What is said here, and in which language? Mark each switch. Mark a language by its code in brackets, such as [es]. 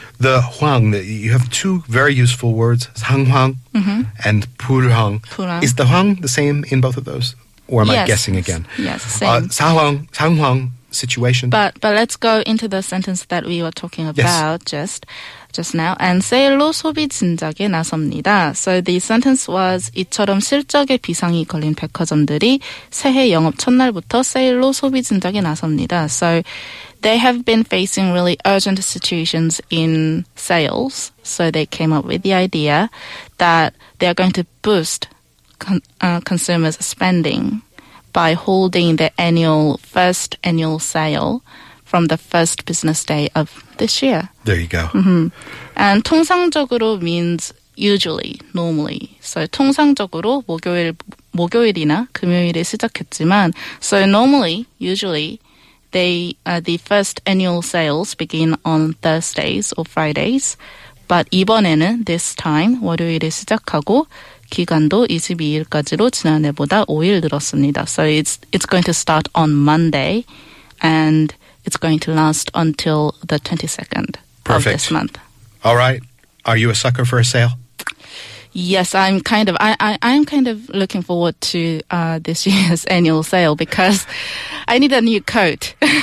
[en] The 황, you have two very useful words, 상황 mm-hmm. [ko] and 불황. 불황. [en] Is the 황 the same in both of those? Or am yes. I guessing again? Yes, same. 상황 situation. But let's go into the sentence that we were talking about yes. just now. [ko] And 세일로 소비 진작에 나섭니다. [en] So the sentence was [ko] 이처럼 실적에 비상이 걸린 백화점들이 새해 영업 첫날부터 세일로 소비 진작에 나섭니다. [en] So they have been facing really urgent situations in sales. So they came up with the idea that they are going to boost consumers spending by holding the first annual sale from the first business day of this year. There you go. Mm-hmm. And 통상적으로 means usually, normally. So [ko] 통상적으로 목요일이나 금요일에 시작했지만, [en] so normally, usually, the first annual sales begin on Thursdays or Fridays. [ko] But 이번에는 [en] this time [ko] 월요일에 시작하고. 기간도 22일까지로 지난해보다 5일 늘었습니다. [en] So it's going to start on Monday, and it's going to last until the 22nd Perfect. Of this month. All right. Are you a sucker for a sale? Yes, I'm kind of looking forward to this year's annual sale because I need a new coat.